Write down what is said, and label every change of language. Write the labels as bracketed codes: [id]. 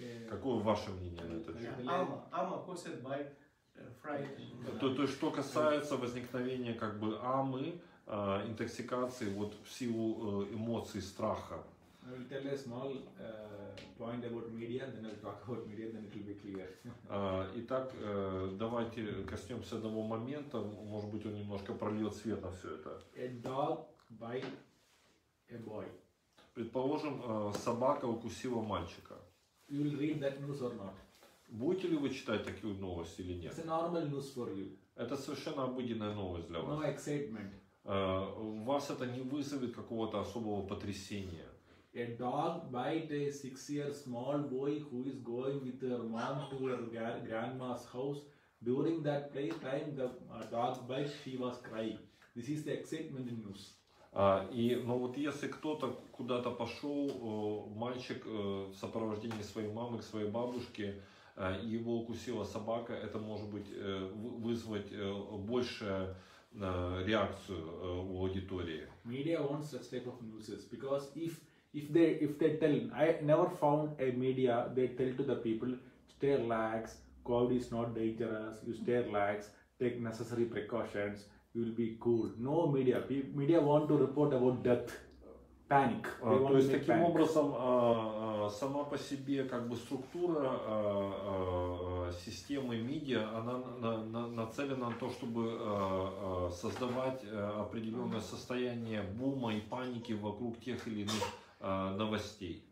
[ru] Какое ваше мнение на этот счет? [en] Ама caused by frightening. [ru] То есть, что касается возникновения как бы амы, интоксикации вот в силу эмоций страха. [en] I will tell a small point about media, then I'll talk about media, then it will be clear. [ru] Итак, давайте коснемся одного момента, может быть, он немножко прольет свет на все это. [en] A dog bite a boy. [ru] Предположим, собака укусила мальчика. [en] You will read that news or not? [ru] Будете ли вы читать такие новости или нет? [en] It's a normal news for you. [ru] Это совершенно обыденная новость для вас. [en] No excitement. [ru] У вас это не вызовет какого-то особого потрясения. [en] A dog bite a 6-year small boy who is going with her mom to her grandma's house. During that playtime, the dog bite, she was crying. This is the excitement in news. [ru] Но вот если кто-то куда-то пошел, мальчик в сопровождении своей мамы к своей бабушке, его укусила собака, это может быть вызвать больше реакцию у аудитории. [en] Media wants such type of news because if they tell, I never found a media they tell to the people stay relaxed, COVID is not dangerous, you stay relaxed, take necessary precautions, you will be cool. No media. Media want to report about death. Panic. [ru] То есть таким panic. Образом сама по себе как бы структура системы медиа, она нацелена на то, чтобы создавать определенное состояние бума и паники вокруг тех или иных новостей.